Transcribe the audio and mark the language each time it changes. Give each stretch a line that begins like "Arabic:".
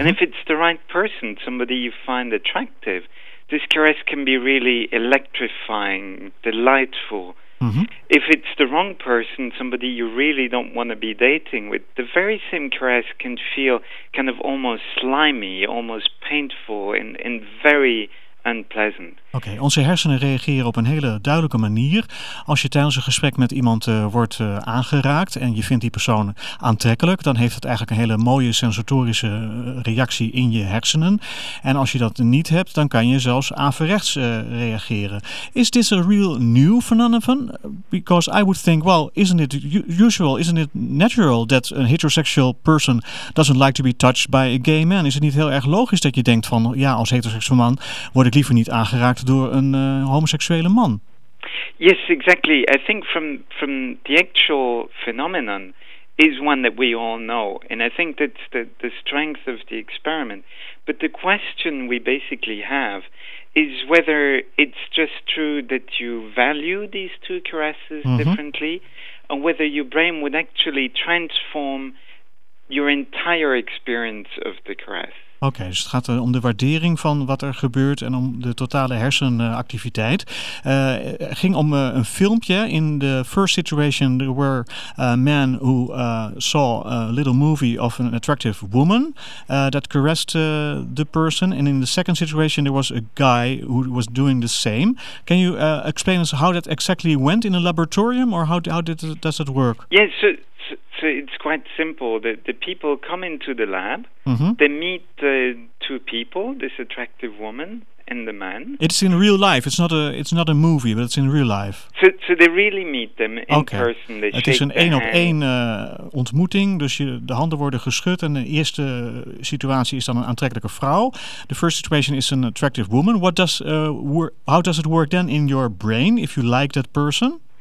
English: And if it's the right person, somebody you find attractive, this caress can be really electrifying, delightful. Mm-hmm. If it's the wrong person, somebody you really don't want to be dating with, the very same caress can feel kind of almost slimy, almost painful, and very unpleasant.
Dutch: Okay, onze hersenen reageren op een hele duidelijke manier. Als je tijdens een gesprek met iemand wordt aangeraakt en je vindt die persoon aantrekkelijk, dan heeft het eigenlijk een hele mooie sensorische reactie in je hersenen. En als je dat niet hebt, dan kan je zelfs averechts reageren.
English: Is this a real new phenomenon? Because I would think, well, isn't it usual, isn't it natural that a heterosexual person doesn't like to be touched by a gay man?
Dutch: Is het niet heel erg logisch dat je denkt van, ja, als heteroseksueel man word ik liever niet aangeraakt door een homoseksuele man?
English: Yes, exactly. I think from the actual phenomenon is one that we all know. And I think that's the strength of the experiment. But the question we basically have is whether it's just true that you value these two caresses mm-hmm. differently, or whether your brain would actually transform your entire experience of the caress.
Dutch: Oké, dus het gaat om de waardering van wat er gebeurt en om de totale hersenactiviteit. Het ging om een filmpje.
English: In the first situation, there were men who saw a little movie of an attractive woman that caressed the person. And in the second situation, there was a guy who was doing the same. Can you explain us how that exactly went in a laboratorium, or how does it work? Yes, sir. So it's quite simple. The people come into the lab, mm-hmm. they meet the two people, this attractive woman and the man. It's in real life. It's not a movie, but it's in real life. So they really meet them in okay. person. They
Dutch: het is een één-op-één ontmoeting. Dus de handen worden geschud. En de eerste situatie is dan een aantrekkelijke vrouw.
English: The first situation is an attractive woman. What does how does it work then in your brain if you like that person?